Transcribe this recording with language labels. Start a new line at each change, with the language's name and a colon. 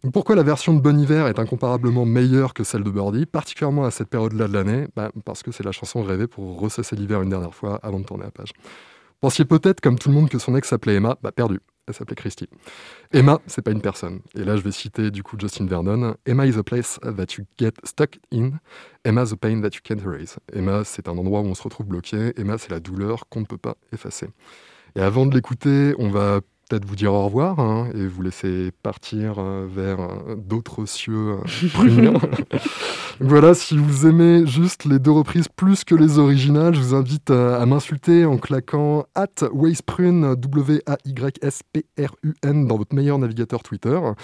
French: Pourquoi la version de Bon Iver est incomparablement meilleure que celle de Birdie, particulièrement à cette période-là de l'année ? Parce que c'est la chanson rêvée pour ressasser l'hiver une dernière fois avant de tourner la page. Vous pensiez peut-être, comme tout le monde, que son ex s'appelait Emma ? Perdu, elle s'appelait Christy. Emma, c'est pas une personne. Et là, je vais citer du coup Justin Vernon.
English: Emma is a place that you get stuck in. Emma is a pain that you can't erase.
French: Emma, c'est un endroit où on se retrouve bloqué. Emma, c'est la douleur qu'on ne peut pas effacer. Et avant de l'écouter, on va... peut-être vous dire au revoir hein, et vous laisser partir vers d'autres cieux pruniens. Voilà, si vous aimez juste les deux reprises plus que les originales, je vous invite à m'insulter en claquant @waysprune, WAYSPRUN dans votre meilleur navigateur Twitter.